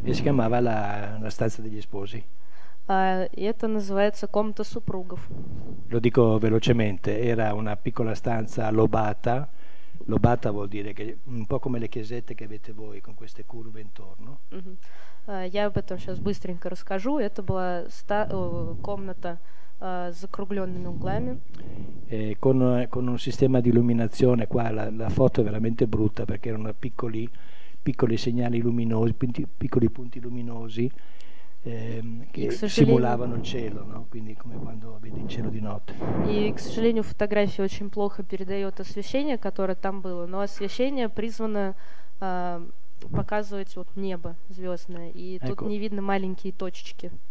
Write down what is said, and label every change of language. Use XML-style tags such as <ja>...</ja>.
<it>E si chiamava la stanza degli sposi.</it> <ru>Это называется комната супругов.</ru> <it>Lo dico velocemente, era una piccola stanza lobata. Lobata vuol dire che un po' come le chiesette che avete voi con queste curve intorno.</it> <ru>Я об этом сейчас быстренько расскажу. Это была комната с закругленными углами.</ru> <it>Con un sistema di illuminazione, qua la foto è veramente brutta perché erano piccoli segnali luminosi, piccoli punti luminosi che simulavano il cielo, no? Quindi come quando vedi il cielo di notte.</it> <ru>И, к сожалению, фотография очень плохо передает освещение, которое там было. Но освещение призвано показывать вот небо звездное, и</ru> <it>ecco.</it> <ru>Тут не видно маленькие точечки.</ru>